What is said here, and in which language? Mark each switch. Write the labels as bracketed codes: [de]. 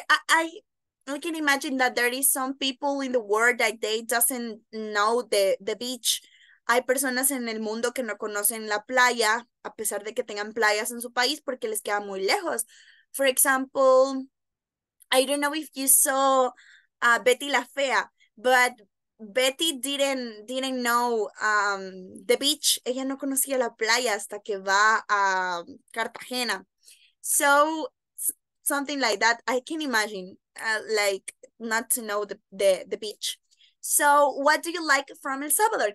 [en] I can imagine that there is some people in the world that they doesn't know the beach. [es] Hay personas en el mundo que no conocen la playa, a pesar de que tengan playas en su país, porque les queda muy lejos. [en] For example, I don't know if you saw Betty La Fea, but Betty didn't know the beach. [es] Ella no conocía la playa hasta que va a Cartagena. [en] So something like that, I can imagine, like not to know the beach. So what do you like from El Salvador?